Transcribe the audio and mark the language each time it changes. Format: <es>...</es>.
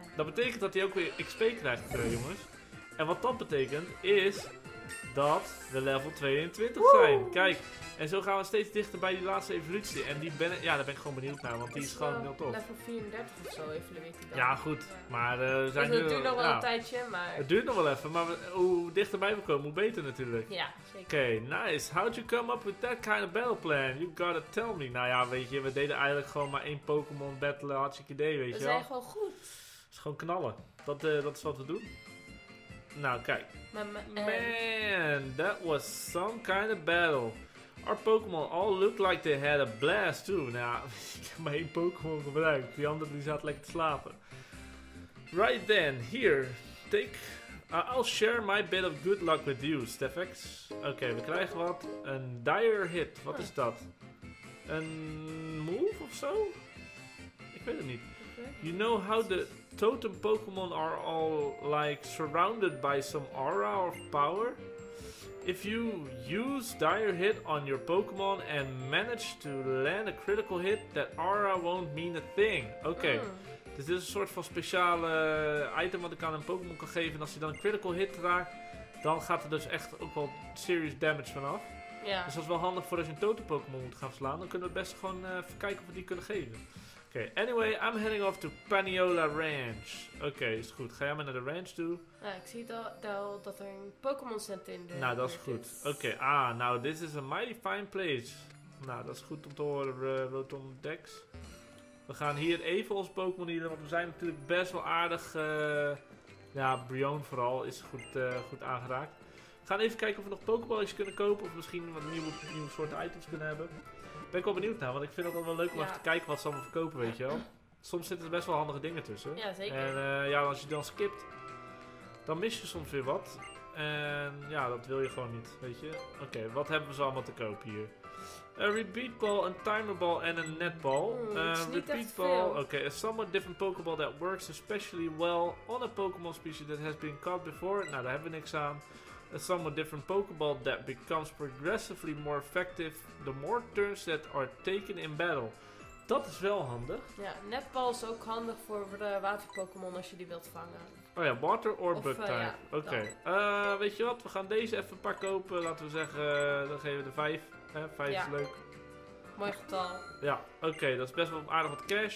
<nl>Dat betekent dat hij ook weer XP krijgt, jongens. En wat dat betekent is dat we level 22 zijn. Kijk, en zo gaan we steeds dichter bij die laatste evolutie. En die ben, ja, daar ben ik gewoon benieuwd naar, want die is gewoon heel tof. Level 34 of zo, evolueert hij dan. Ja, goed. Ja. Maar we zijn dus dat nu... Het duurt nog wel een tijdje, maar... Het duurt nog wel even, maar hoe dichterbij we komen, hoe beter natuurlijk. Ja, zeker. Oké, okay, nice.</nl> <en>How'd you come up with that kind of battle plan? You gotta tell me.</en> <nl>Nou ja, weet je, we deden eigenlijk gewoon maar één Pokémon battlen. Hartstikke idee, weet je wel. We zijn gewoon goed. Het is gewoon knallen. Dat is wat we doen. Nou, kijk.</nl> <en>Man, that was some kind of battle. Our Pokémon all looked like they had a blast too.</en> <nl>Nou, ik heb maar één Pokémon gebruikt. Die andere die zat lekker te slapen.</nl> <en>Right then, here. Take... I'll share my bit of good luck with you, Stefax.</en> <nl>Oké, we krijgen wat. Een dire hit. Wat is dat? Een move of zo? Ik weet het niet.</nl> <en>You know how the totem Pokémon are all like surrounded by some aura of power? If you use Dire Hit on your Pokémon and manage to land a critical hit, that aura won't mean a thing. Okay.</en> <nl>Dus dit is een soort van speciale item wat ik aan een Pokémon kan geven. En als hij dan een critical hit raakt, dan gaat er dus echt ook wel</nl> <en>serious damage</en> <nl>vanaf.</nl> <en>Yeah.</en> <nl>Dus dat is wel handig voor als je een totem Pokémon moet gaan verslaan. Dan kunnen we best gewoon even kijken of we die kunnen geven.</nl> <en>Oké, okay, anyway, I'm heading off to Paniola Ranch.</en> <nl>Oké, okay, is goed. Ga jij maar naar de ranch toe? Ja, ik zie dat er een Pokémon Center in de. Nou, dat is goed.</nl> <en>Oké, okay, nou, this is a mighty fine place.</en> <nl>Nou, dat is goed om te horen, Rotom Dex. We gaan hier even ons Pokémon hier, want we zijn natuurlijk best wel aardig. Ja, Brion vooral is goed aangeraakt. We gaan even kijken of we nog Pokéballetjes kunnen kopen, of misschien wat nieuwe soorten items kunnen hebben. Ben ik wel benieuwd naar, want ik vind het wel leuk om even te kijken wat ze allemaal verkopen, weet je wel. Soms zitten er best wel handige dingen tussen. Ja, zeker. En als je dan skipt, dan mis je soms weer wat. En ja, dat wil je gewoon niet, weet je. Oké, okay, wat hebben ze allemaal te kopen hier? Een repeat ball, een timer ball en een net ball. Repeat ball, oké.</nl> <en>Okay, a somewhat different Pokéball that works especially well on a Pokémon species that has been caught before.</en> <nl>Nou, daar hebben we niks aan.</nl> <en>A somewhat different Pokeball that becomes progressively more effective the more turns that are taken in battle.</en> <nl>Dat is wel handig. Ja, netball is ook handig voor de waterpokémon als je die wilt vangen. Oh ja,</nl> <en>water or bug type.</en> <nl>Ja, oké. Okay. Weet je wat, we gaan deze even een paar kopen. Laten we zeggen, dan geven we de 5. 5 is leuk. Mooi getal. Ja, oké, okay, dat is best wel aardig wat cash.</nl>